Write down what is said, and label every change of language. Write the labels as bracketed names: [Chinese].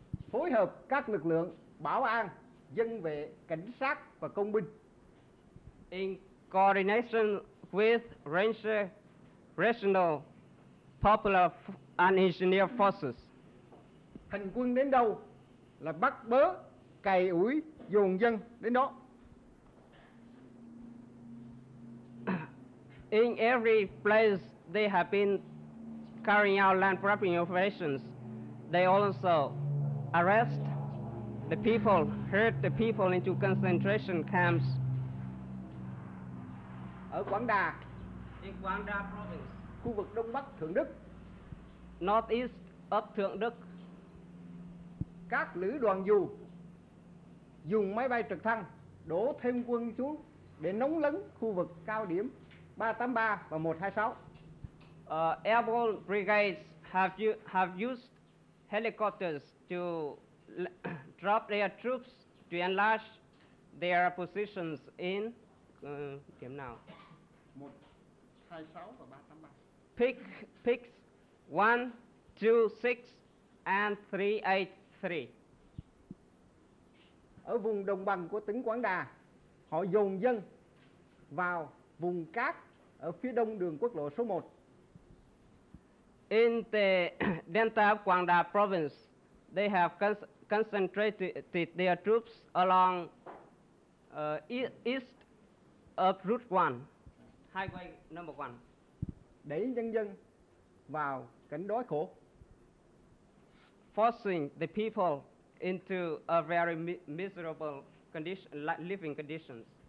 [Vietnamese] Phối hợp các lực lượng bảo an, dân vệ, cảnh sát và công binh. [English] In coordination with Ranger, regional, popular and engineer forces. [Vietnamese] Hành quân đến đâu là bắt bớ, cày ủi, dồn dân đến đó. [English] In every place they have been carrying out land grabbing operations, they also arrest the people, herd the people into concentration camps. [Vietnamese] Ở Quảng Đà, [English] in Quảng Đà province, [Vietnamese] khu vực đông bắc Thượng Đức, [English] northeast of Thượng Đức, [Vietnamese] các lữ đoàn dù dùng máy bay trực thăng đổ thêm quân xuống để nóng lấn khu vực cao điểm 383 và 126. [English] Airborne brigades have used helicopters to drop their troops to enlarge their positions in [Vietnamese] điểm nào? 126 và 383. [English] Picks 1, 2, 6 and 383. [Vietnamese] Ở vùng đồng bằng của tỉnh Quảng Đà, họ dồn dân vào vùng cát ở phía đông đường quốc lộ số 1. [English] In the Delta of Quảng Đà province, they have concentrated their troops along east of Route 1, highway number 1. [Vietnamese] Đẩy nhân dân vào cảnh đói khổ. [English] Forcing the people into a very miserable condition, living conditions.